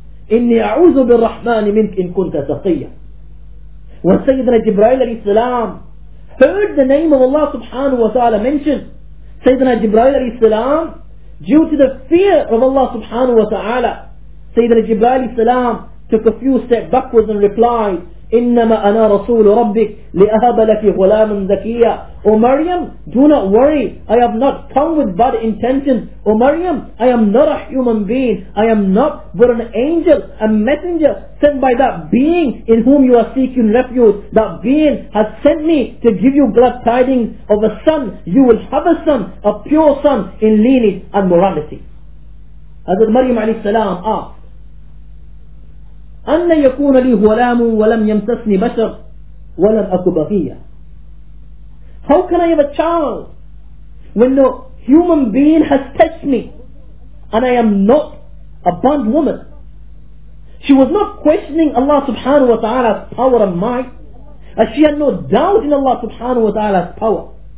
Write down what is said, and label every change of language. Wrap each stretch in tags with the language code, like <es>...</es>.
<ar>Inni a'uzu bil-Rahmani mink in kunta taqiyya.</ar> <en>When Sayyidina Jibreel alayhi salam heard the name of Allah subhanahu wa ta'ala mentioned, Sayyidina Jibreel alayhi salam, due to the fear of Allah subhanahu wa ta'ala, Sayyidina Jibreel alayhi salam took a few steps backwards and replied,</en> <ar>إنما أنا رسول ربك لأهب لك غلاما زكيا.</ar> <en>O Maryam, do not worry, I have not come with bad intentions. O Maryam, I am not a human being, I am not but an angel, a messenger sent by that being in whom you are seeking refuge. That being has sent me to give you glad tidings of a son. You will have a son, a pure son in lineage and morality. Hazrat Maryam alayhi salam asked,</en> <ar>أن يكون لي غلام ولم يمسسني بشر ولم أكن بغيا.</ar> <en>How can I have a child when no human being has touched me and I am not a bond woman? She was not questioning Allah subhanahu wa ta'ala's power and might, as she had no doubt in Allah subhanahu wa ta'ala's power.</en>